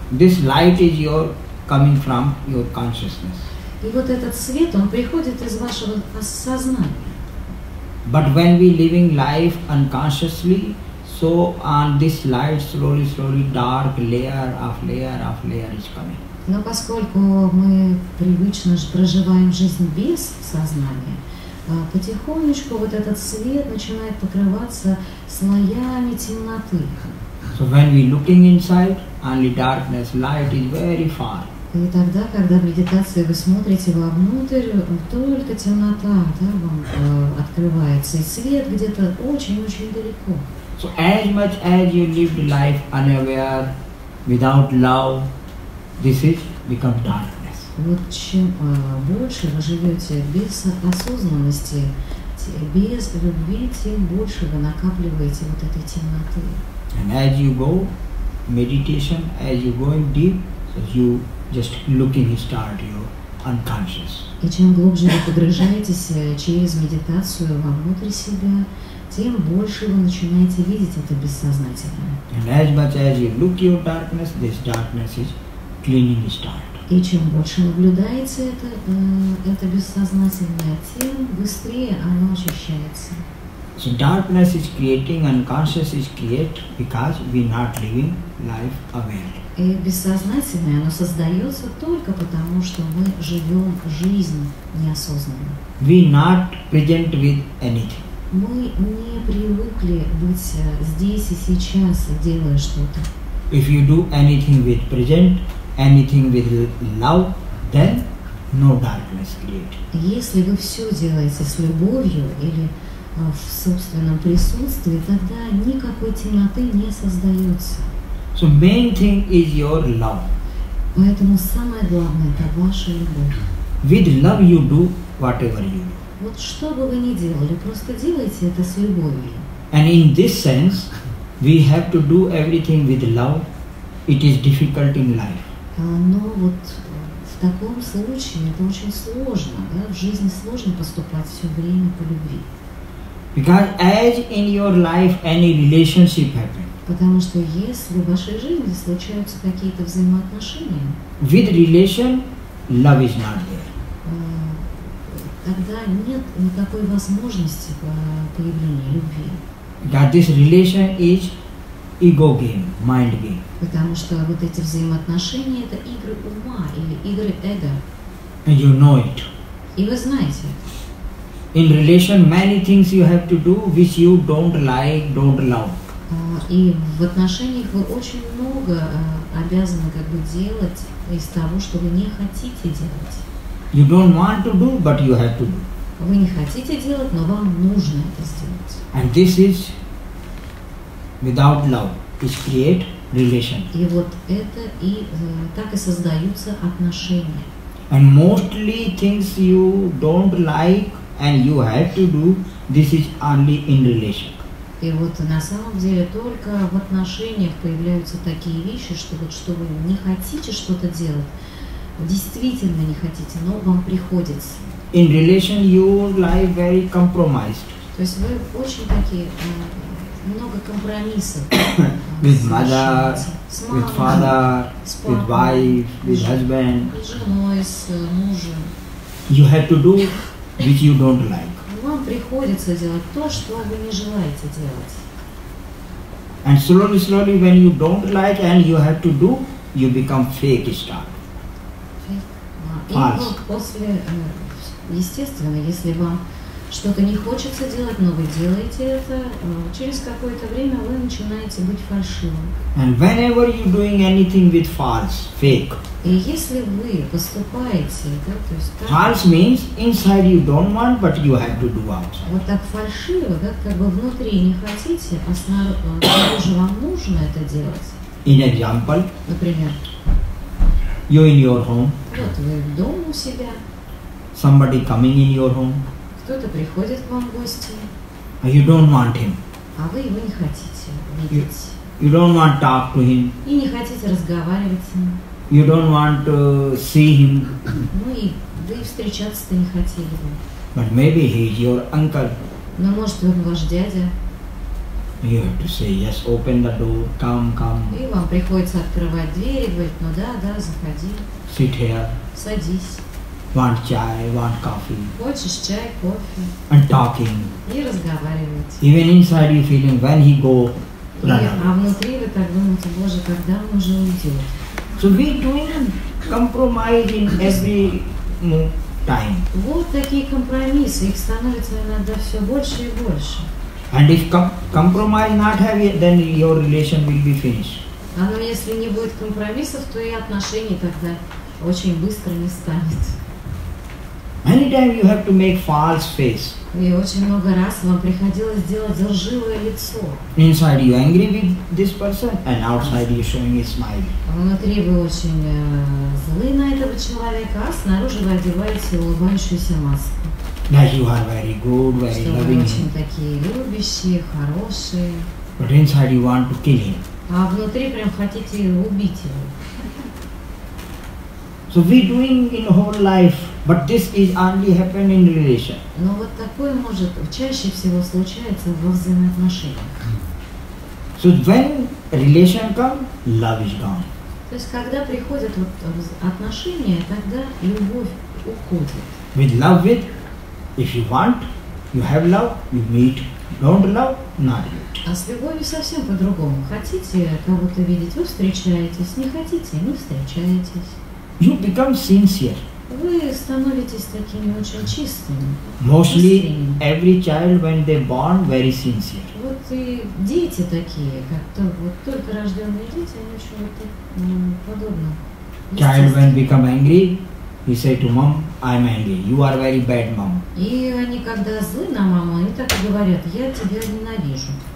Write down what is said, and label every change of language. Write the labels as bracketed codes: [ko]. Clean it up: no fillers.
[en] This light is your coming from your consciousness. [ru] И вот этот свет, он приходит из вашего сознания. [en] But when we living life unconsciously, so on this light slowly, slowly dark layer of layer of layer is coming. [ru] Но поскольку мы привычно проживаем жизнь без сознания, потихонечку вот этот свет начинает покрываться слоями темноты. [en] So when we looking inside, only darkness, light is very far. [ru] И тогда, когда в медитации вы смотрите вовнутрь, только темнота, да, вам открывается, и свет где-то очень-очень далеко. [en] So as much as you lived life unaware, without love, this is become darkness. [ru] Вот чем больше вы живете без осознанности, без любви, тем больше вы накапливаете вот этой темноты. [en] And as you go meditation, as you go in deep, so you just looking start your unconscious. [ru] И чем глубже вы погружаетесь через медитацию вовнутрь себя, тем больше вы начинаете видеть это бессознательное. [en] And as much as you look your darkness, this darkness is cleaning start. [ru] И чем больше наблюдается это бессознательное, тем быстрее оно очищается. [en] So darkness is creating, unconscious is create because we not living life aware. [ru] И бессознательное оно создается только потому, что мы живем жизнь неосознанно. [en] We not present with anything. [ru] Мы не привыкли быть здесь и сейчас, делая что-то. [en] If you do anything with present, anything with love, then no darkness create. [ru] Если вы все делаете с любовью или в собственном присутствии, тогда никакой темноты не создается. [en] So main thing is your love. [ru] Поэтому самое главное — это ваша любовь. [en] With love you do whatever you do. [ru] Вот что бы вы ни делали, просто делайте это с любовью. [en] And in this sense, we have to do everything with love. It is difficult in life. [ru] Но вот в таком случае это очень сложно, да? В жизни сложно поступать все время по любви. [en] Because as in your life any relationship happens. [ru] Потому что если в вашей жизни случаются какие-то взаимоотношения, [en] with relation, love is not there. [ru] Тогда нет никакой возможности появления любви. [en] That this relation is ego game, mind game. [ru] Потому что вот эти взаимоотношения — это игры ума или игры эго. [en] And you know it. [ru] И вы знаете. [en] In relation, many things you have to do which you don't like, don't love. [ru] И в отношениях вы очень много обязаны как бы делать из того, что вы не хотите делать. [en] You don't want to do, but you have to do. [ru] Вы не хотите делать, но вам нужно это сделать. [en] And this is without love, is create relation. [ru] И вот это и так и создаются отношения. [en] And mostly things you don't like and you have to do, this is only in relation. [ru] И вот на самом деле только в отношениях появляются такие вещи, что вот что вы не хотите что-то делать, действительно не хотите, но вам приходится. [en] In relation your life very compromised. [ru] То есть вы очень такие много компромиссов. [en] With mother, with father, with wife, with husband. [ru] С женой, с мужем. [en] You have to do which you don't like. [ru] Вам приходится делать то, что вы не желаете делать. [en] And slowly, slowly, when you don't like and you have to do, you become fake star. False. [ru] И вот после, естественно, если вам что-то не хочется делать, но вы делаете это, через какое-то время вы начинаете быть фальшивым. [en] And whenever you're doing anything with false, fake. [ru] И если вы поступаете, да, то есть так, [en] false means inside you don't want, but you have to do outside. [ru] Вот так фальшиво, да, как бы внутри не хотите, а снаружи вам нужно это делать. [en] In example. [ru] Например. [en] You're in your home. [ru] Вот вы дом у себя. [en] Somebody coming in your home. [ru] Кто-то приходит к вам в гости. [en] You don't want him. [ru] А вы его не хотите видеть. [en] You don't want to talk to him. [ru] И не хотите разговаривать с ним. [en] You don't want to see him. [ru] Ну и вы встречаться-то не хотели бы. [en] But maybe he is your uncle. [ru] Но может он ваш дядя. [en] You have to say yes, open the door, come, come. [ru] И вам приходится открывать дверь и говорить, ну да, да, заходи. [en] Sit here. [ru] Садись. [en] Want chai, want coffee. [ru] Хочешь чай, кофе. [en] And talking. [ru] И разговаривать. [en] Even inside you feeling when he go. [ru] А внутри вы так думаете, Боже, когда он уже уйдет? [en] So we doing compromise in every time. [ru] Вот такие компромиссы, их становится иногда все больше и больше. [en] And if compromise not have, then your relation will be finished. [ru] А ну если не будет компромиссов, то и отношения тогда очень быстро не станет. [en] Many times you have to make false face. [ru] И очень много раз вам приходилось делать лживое лицо. [en] Inside you angry with this person, and outside you showing a smile. [ru] Внутри вы очень злы на этого человека, а снаружи вы одеваете улыбающуюся маску. [en] That you are very good, very [ru] что [en] loving. [ru] Что вы очень такие любящие, хорошие. [en] But inside you want to kill him. [ru] А внутри прям хотите убить его. [en] So we doing in whole life. But this is only happen in relation. [ru] Но вот такое может чаще всего случается во взаимоотношениях. [en] So when relation come, love is gone. [ru] То есть когда приходят вот отношения, тогда любовь уходит. [en] With love, with if you want, you have love, you meet. Don't love, not yet. [ru] А с любовью совсем по-другому. Хотите кого-то видеть, вы встречаетесь. Не хотите, не встречаетесь. [en] You become sincere. [ru] Вы становитесь такими очень чистыми. [en] Mostly every child when they born very sincere. [ru] Вот и дети такие, как то вот только рожденные дети, они очень вот так подобно. [en] Child when become angry, he say to mom, I'm angry. You are very bad mom. [ru] И они когда злы на маму, они так и говорят, я тебя ненавижу.